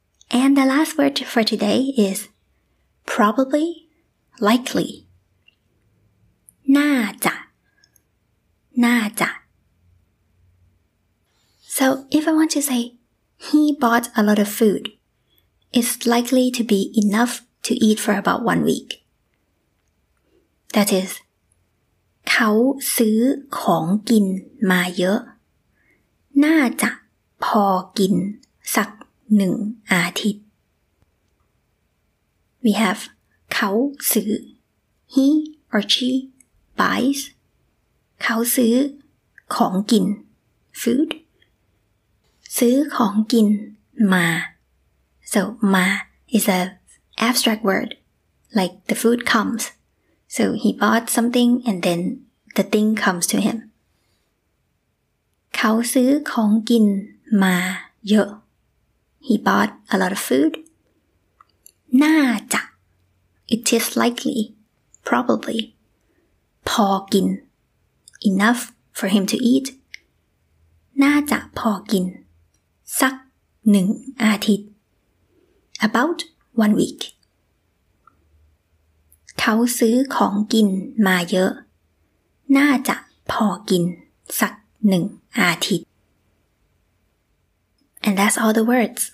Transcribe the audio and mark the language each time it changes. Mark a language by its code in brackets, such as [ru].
[en] And the last word for today is probably, likely. น่าจะ น่าจะ So if I want to say, he bought a lot of food, it's likely to be enough to eat for about 1 week. [th] That is, เขาซื้อของกินมาเยอะ น่าจะพอกินสักหนึ่งอาทิตย์ [en] We have เขาซื้อ He or she buys [th] เขาซื้อของกิน [en] Food [th] ซื้อของกินมา [en] So มา is an abstract word like the food comes So he bought something and then the thing comes to him [th] เขาซื้อของกินมาเยอะ [en] He bought a lot of food. น่าจะ It is likely, probably. พอกิน Enough for him to eat. [th] น่าจะพอกินสักหนึ่งอาทิตย์ [en] About 1 week. [th] เขาซื้อของกินมาเยอะน่าจะพอกินสักหนึ่งอาทิตย์ [en] And that's all the words.